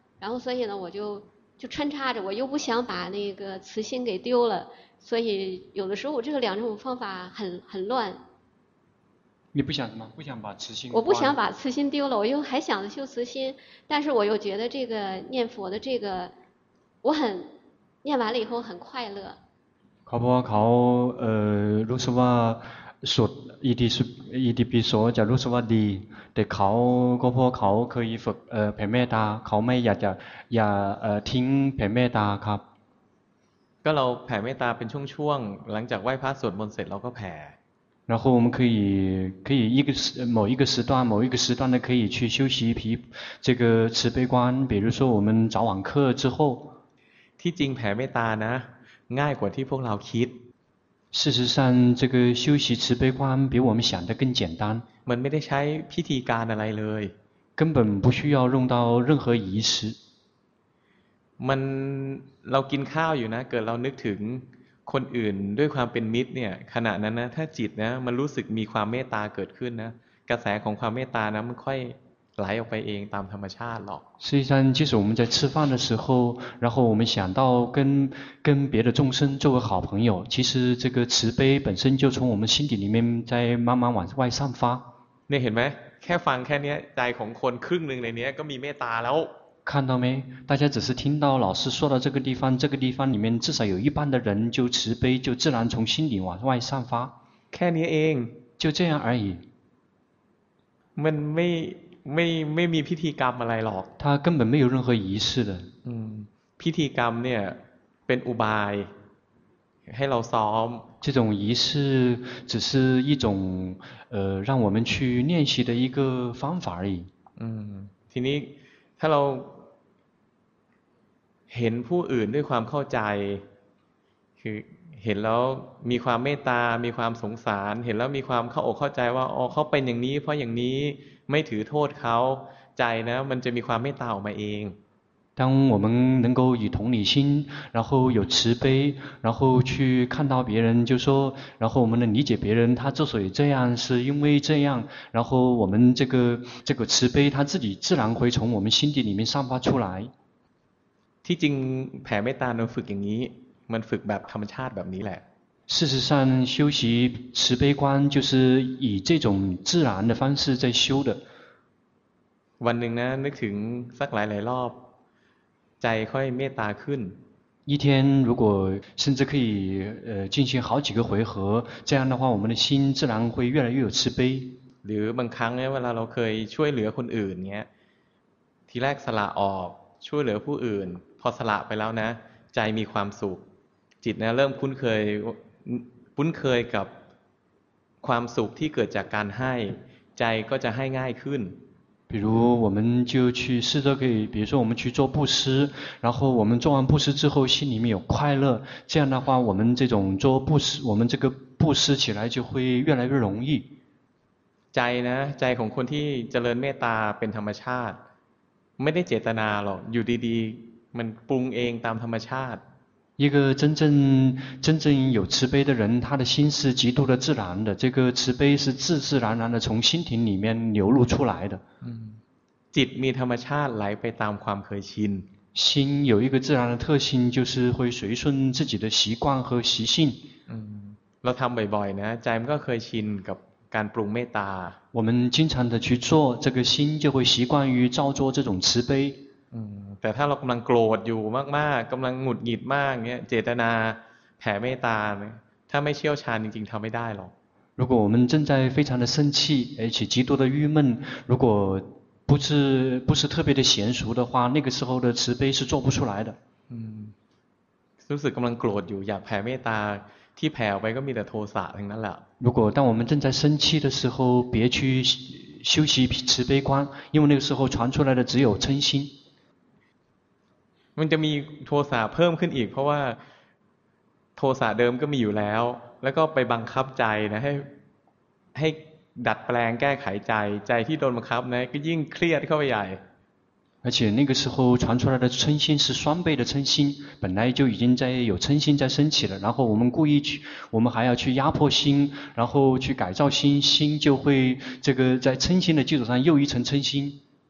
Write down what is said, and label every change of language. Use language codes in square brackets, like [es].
[zh] 然后所以呢，我就穿插着，我又不想把那个慈心给丢了，所以有的时候我这个两种方法很乱。你不想什么？不想把慈心？我不想把慈心丢了，我又还想着修慈心，但是我又觉得这个念佛的这个。我很念完了以后很快乐 [th] เขาบอกว่าเขารู้สึกว่าสวด EDP สวดจะรู้สึกว่าดีแต่เขาก็เพราะเขาเคยฝึกแผ่เมตตาเขาไม่อยากจะอย่าทิ้งแผ่เมตตาครับ ก็เราแผ่เมตตาเป็นช่วงๆหลังจากไหว้พระสวดมนต์เสร็จเราก็แผ่ [zh] 然后我们可以一个某一个时段某一个时段的可以去修习皮这个慈悲观比如说我们早晚课之后 [th] ที่จริงแผ่เมตตานะง่ายกว่าที่พวกเราคิด [zh] 事实上这个修习慈悲观比我们想的更简单 [th] มันไม่ได้ใช้พิธีการอะไรเลย [zh] 根本不需要用到任何仪式 [th] มันเรากินข้าวอยู่นะเกิดเรานึกถึงคนอื่นด้วยความเป็นมิตรเนี่ยขณะนั้นนะถ้าจิตนะมันรู้สึกมีความเมตตาเกิดขึ้นนะกระแสของความเมตตานะมันค่อยไหลออกไปเองตามธรรมชาติหรอก [zh] 实际上即使我们在吃饭的时候然后我们想到跟别的众生作为好朋友其实这个慈悲本身就从我们心底里面在慢慢往外散发 [th] เนี่ยเห็นไหมแค่ฟังแค่นี้ใจของคนครึ่งหนึ่งในนี้ก็มีเมตตาแล้ว [zh] 看到没大家只是听到老师说到这个地方里面至少有一半的人就慈悲就自然从心底往外散发 [th] แค่นี้เอง [zh] 就这样而已 [th] มันไม่ ไม่มีพิธีกรรมอะไรหรอก [zh] 它根本没有任何仪式的 [th] พิธีกรรมเนี่ยเป็นอุบายให้เราซ้อม [zh] 这种仪式只是一种让我们去练习的一个方法而已 [th] ทีนี้ถ้าเราเห็นผู้อื่นด้วยความเข้าใจคือเห็นแล้วมีความเมตตามีความสงสารเห็นแล้วมีความเข้าอกเข้าใจว่าอ๋อเขาเป็นอย่างนี้เพราะอย่างนี้ไม่ถือโทษเขาใจนะมันจะมีความเมตตาออกมาเอง [zh] 当我们能够以同理心然后有慈悲然后去看到别人就说然后我们能理解别人他之所以这样是因为这样然后我们这个慈悲他自己自然会从我们心底里面散发出来 [th] ที่จริงแผ่เมตตาเราฝึกอย่างนี้มันฝึกแบบธรรมชาติแบบนี้แหละ [zh] 事实上修习慈悲观就是以这种自然的方式在修的 [th] วันหนึ่งนะนึกถึงสักหลายรอบใจค่อยเมตตาขึ้น [zh] 一天如果甚至可以进行好几个回合这样的话我们的心自然会越来越有慈悲 [th] หรือบางครั้งเนี่ยเวลาเราเคยช่วยเหลือคนอื่นเนี่ยทีแรกสละออกช่วยเหลือผู้อื่นพอสละไปแล้วนะใจมีความสุขจิตนะเริ่มคุ้นเคยกับความสุขที่เกิดจากการให้ใจก็จะให้ง่ายขึ้น [zh] 比如我们就去试着可以比如说我们去做布施然后我们做完布施之后心里面有快乐这样的话我们这种做布施我们这个布施起来就会越来越容易 [th] ใจนะใจของคนที่เจริญเมตตาเป็นธรรมชาติไม่ได้เจตนาหรอกอยู่ดีๆมันปรุงเองตามธรรมชาติ [zh] 一个真正有慈悲的人他的心是极度的自然的这个慈悲是自然的从心庭里面流露出来的 [th] จิตมีธรรมชาติไหลไปตามความเคยชิน [zh] 心有一个自然的特性就是会随顺自己的习惯和习性 [th] เราทำบ่อยๆนะใจมันก็เคยชินกับการปรุงเมตตา [zh] 我们经常的去做这个心就会习惯于照做这种慈悲 [th] แต่ถ้าเรากำลังโกรธอยู่มากๆกำลังหงุดหงิดมากเงี้ยเจตนาแผ่เมตตาถ้าไม่เชี่ยวชาญจริงๆทำไม่ได้หรอก [zh] 如果我们正在非常的生气而且极度的郁闷如果不是特别的娴熟的话那个时候的慈悲是做不出来的 [th] รู้สึกกำลังโกรธอยู่อยากแผ่เมตตาที่แผ่ไปก็มีแต่โทสะทั้งนั้นแหละ [zh] 如果当我们正在生气的时候别去修习慈悲观因为那个时候传出来的只有嗔心 [th] มันจะมีโทสะเพิ่มขึ้นอีกเพราะว่าโทสะเดิมก็มีอยู่แล้วแล้วก็ไปบังคับใจนะให้ดัดแปลงแก้ไขใจที่โดนบังคับนะก็ยิ่งเครียดเข้าไปใหญ่ [zh] 而且那个时候传出来的嗔心是双倍的嗔心本来就已经在有嗔心在升起了然后我们故意去我们还要去压迫心然后去改造心就会这个在嗔心的基础上又一层嗔心